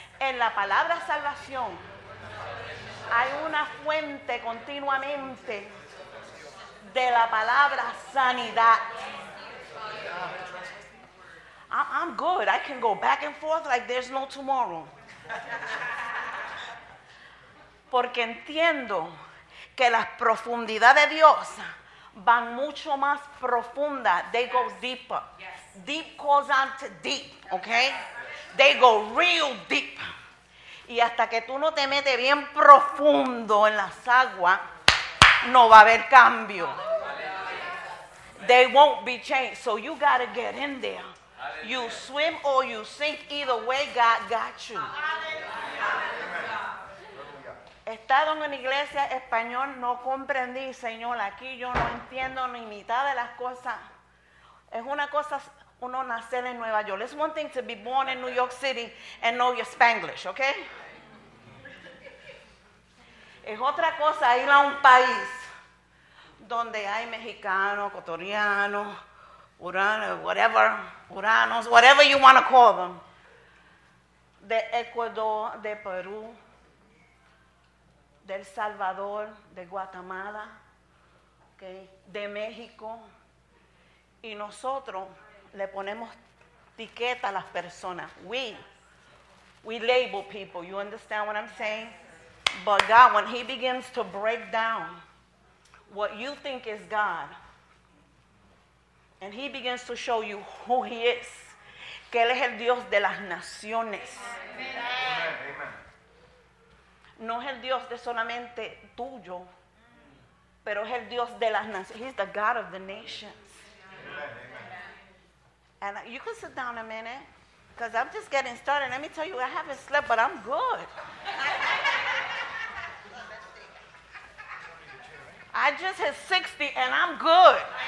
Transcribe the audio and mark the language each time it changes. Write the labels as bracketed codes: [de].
[es] En la palabra salvación hay una fuente continuamente de la palabra sanidad. [en] I'm good. I can go back and forth like there's no tomorrow. [es] Porque entiendo que las profundidades de Dios van mucho más profunda. [en] They go deeper. Deep calls on to deep, okay? They go real deep. [es] Y hasta que tú no te metes bien profundo en las aguas, no va a haber cambio. [en] They won't be changed. So you got to get in there. You swim or you sink. Either way, God got you. [es] He estado en una iglesia español, no comprendí, Señor. Aquí yo no entiendo ni mitad de las cosas. Es una cosa uno nacer en Nueva York. [en] It's one thing to be born in New York City and know your Spanglish, okay? [es] Es otra cosa ir a un país donde hay mexicanos, ecuatorianos, uranos, [en] whatever you want to call them, [es] de Ecuador, de Perú, del Salvador, de Guatemala, okay, de México, y nosotros le ponemos etiqueta a las personas. [en] We label people. You understand what I'm saying? But God, when He begins to break down what you think is God, and He begins to show you who He is, [es] que Él es el Dios de las naciones. [en] Amen. [es] No es el Dios de solamente tuyo, pero es el Dios de las naciones. [en] He's the God of the nations. Amen. And you can sit down a minute, because I'm just getting started. Let me tell you, I haven't slept, but I'm good. I just hit 60, and I'm good.